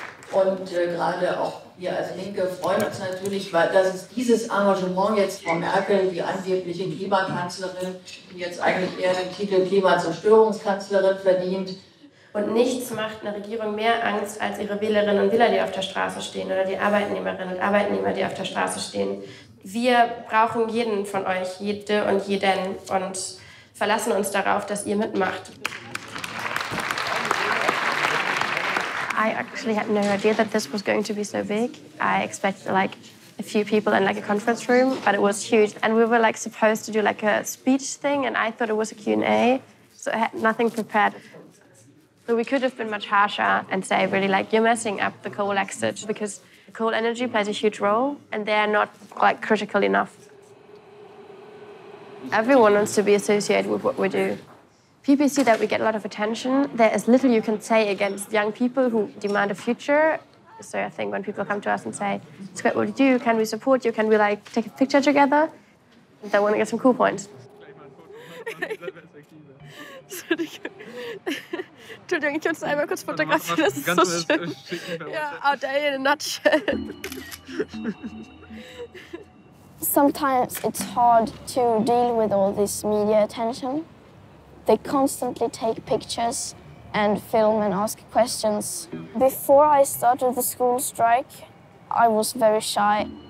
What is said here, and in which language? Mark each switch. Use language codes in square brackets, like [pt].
[de] Und gerade auch wir als Linke freuen uns natürlich, weil das ist dieses Engagement jetzt Frau Merkel, die angebliche Klimakanzlerin, die jetzt eigentlich eher den Titel Klimazerstörungskanzlerin verdient. Und nichts macht eine Regierung mehr Angst als ihre Wählerinnen und Wähler, die auf der Straße stehen, oder die Arbeitnehmerinnen und Arbeitnehmer, die auf der Straße stehen. Wir brauchen jeden von euch, jede und jeden, und verlassen uns darauf, dass ihr mitmacht. [en] I actually had no idea that this was going to be so big. I expected like a few people in like a conference room, but it was huge. And we were like supposed to do like a speech thing, and I thought it was a Q&A, so I had nothing prepared. So we could have been much harsher and say really like, you're messing up the coal exit, because coal energy plays a huge role and they're not like critical enough. Everyone wants to be associated with what we do. People see that we get a lot of attention. There is little you can say against young people who demand a future. So I think when people come to us and say, it's great what you do, can we support you? Can we like take a picture together? They want to get some cool points. [de] Entschuldigung, ich würde es einmal kurz fotografieren, das ist so schön. [en] Ja, out there in a nutshell. Sometimes it's hard to deal with all this media attention. They constantly take pictures and film and ask questions. Before I started the school strike, I was very shy.